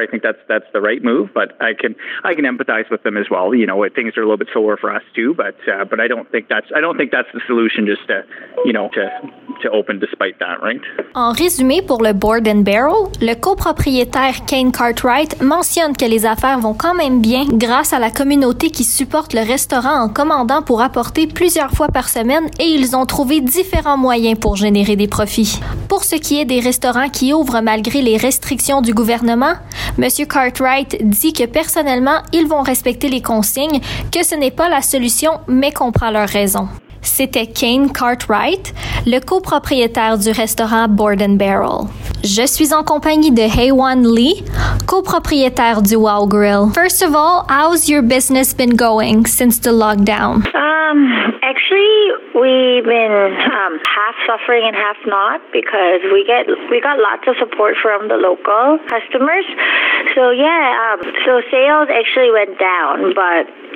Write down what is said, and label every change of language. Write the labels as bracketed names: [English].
[English] I think that's the right move, but I can empathize with them as well. You know, things are a little bit slower for us too, but I don't think that's the solution, just to, you know, to open despite that, right? [French] En résumé, pour le Board and Barrel, le copropriétaire Kane Cartwright mentionne que les affaires vont quand même bien grâce à la communauté qui supporte le restaurant en commandant pour apporter plusieurs fois par semaine, et ils ont trouvé différents moyens pour générer des profits. Pour ce qui est des restaurants qui ouvrent malgré les restrictions du gouvernement, M. Cartwright dit que personnellement, ils vont respecter les consignes, que ce n'est pas la solution, mais comprend leurs raisons. C'était Kane Cartwright, le copropriétaire du restaurant Board and Barrel. Je suis en compagnie de Haywan Lee, copropriétaire du Wow Grill. [English] First of all, how's your business been going since the lockdown? Actually, we've been half suffering and half not, because we got lots of support from the local customers. So sales actually went down, but